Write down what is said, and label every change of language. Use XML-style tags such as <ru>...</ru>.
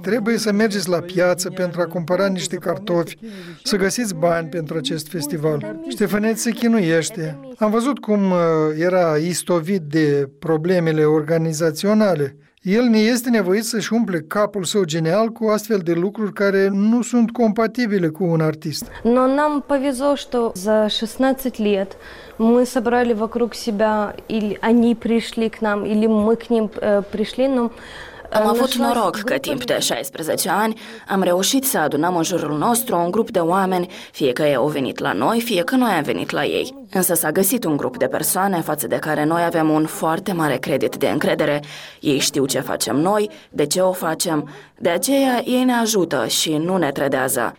<ro>Trebuie să mergeți la piață pentru a cumpăra niște cartofi, să găsiți bani pentru acest festival. Ștefăneț se chinuiește. Am văzut cum era istovit de problemele organizaționale. El ne este nevoit să-și umple capul său genial cu astfel de lucruri care nu sunt compatibile cu un artist.</ro> <ru>Но нам повезло, что за 16 лет мы собрали вокруг себя или они пришли к нам или мы к ним пришли, но</ru> <ro>am avut noroc că timp de 16 ani am reușit să adunăm în jurul nostru un grup de oameni, fie că ei au venit la noi, fie că noi am venit la ei. Însă s-a găsit un grup de persoane față de care noi avem un foarte mare credit de încredere. Ei știu ce facem noi, de ce o facem, de aceea ei ne ajută și nu ne trădează.</ro>